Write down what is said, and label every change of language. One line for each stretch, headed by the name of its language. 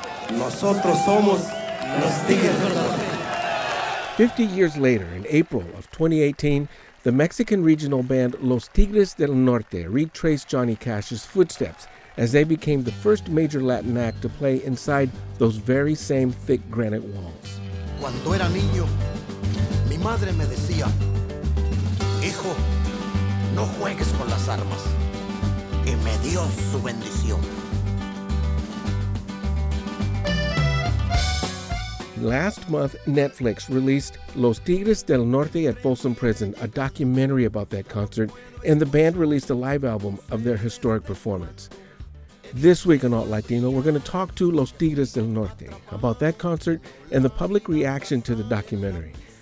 Spanish: Nosotros somos los tigres.
English: 50 years later, in April of 2018, the Mexican regional band Los Tigres del Norte retraced Johnny Cash's footsteps as they became the first major Latin act to play inside those very same thick granite walls.
Spanish: Cuando era niño, mi madre me decía, hijo, no juegues con las armas, y me dio su bendición.
English: Last month, Netflix released Los Tigres del Norte at Folsom Prison, a documentary about that concert, and the band released a live album of their historic performance. This week on Alt Latino, we're going to talk to Los Tigres del Norte about that concert and the public reaction to the documentary.